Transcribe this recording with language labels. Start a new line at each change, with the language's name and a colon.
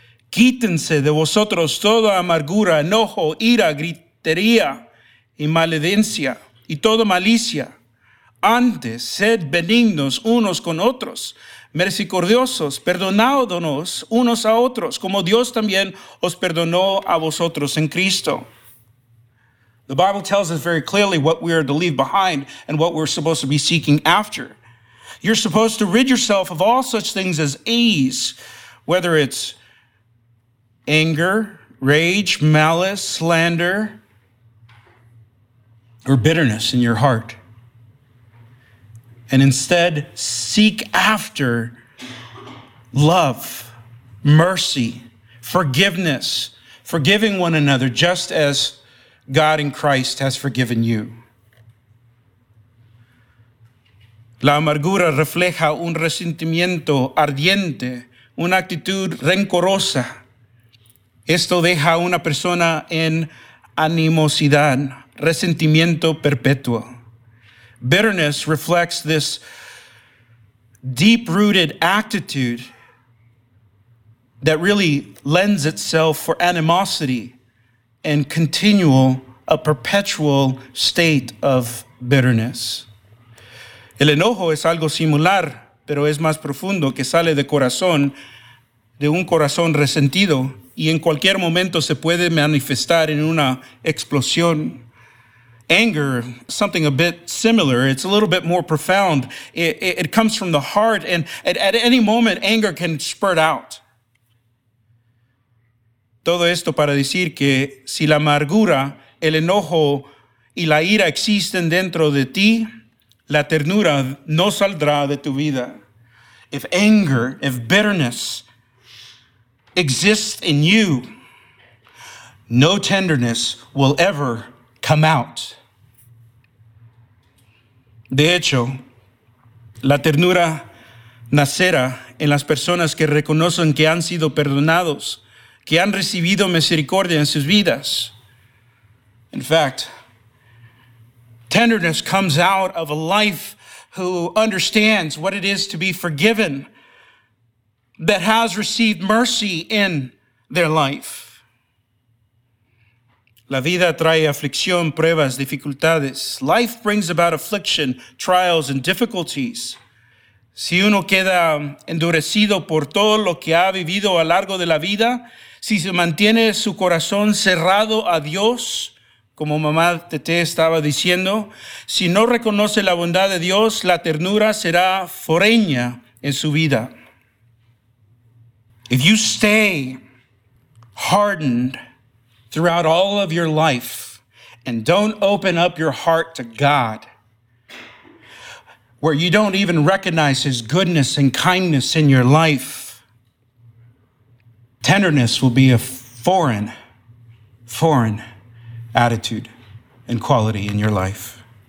Spanish: Quítense de vosotros toda amargura, enojo, ira, gritería y maledicencia y toda malicia. Antes, sed benignos unos con otros. Misericordiosos, perdonándonos unos a otros, como Dios también os perdonó a vosotros en Cristo.
English: The Bible tells us very clearly what we are to leave behind and what we're supposed to be seeking after. You're supposed to rid yourself of all such things as ease, whether it's anger, rage, malice, slander, or bitterness in your heart. And instead, seek after love, mercy, forgiveness, forgiving one another just as God in Christ has forgiven you.
Spanish: La amargura refleja un resentimiento ardiente, una actitud rencorosa, Esto deja a una persona en animosidad, resentimiento perpetuo.
English: Bitterness reflects this deep-rooted attitude that really lends itself for animosity and continual, a perpetual state of bitterness.
Spanish: El enojo es algo similar, pero es más profundo, que sale de corazón, de un corazón resentido, y en cualquier momento se puede manifestar en una explosión.
English: Anger, something a bit similar, it's a little bit more profound. It comes from the heart, and at any moment, anger can spurt out.
Spanish: Todo esto para decir que si la amargura, el enojo y la ira existen dentro de ti, la ternura no saldrá de tu vida.
English: If anger, if bitterness exists in you, no tenderness will ever come out.
Spanish: De hecho, la ternura nacerá en las personas que reconocen que han sido perdonados, que han recibido misericordia en sus vidas. In fact, tenderness comes out of a life who understands what it is to be forgiven, that has received mercy in their life. La vida trae aflicción, pruebas, dificultades.
English: Life brings about affliction, trials, and difficulties.
Spanish: Si uno queda endurecido por todo lo que ha vivido a lo largo de la vida, si se mantiene su corazón cerrado a Dios, como mamá Tete estaba diciendo, si no reconoce la bondad de Dios, la ternura será foreña en su vida.
English: If you stay hardened throughout all of your life and don't open up your heart to God, where you don't even recognize His goodness and kindness in your life, tenderness will be a foreign attitude and quality in your life.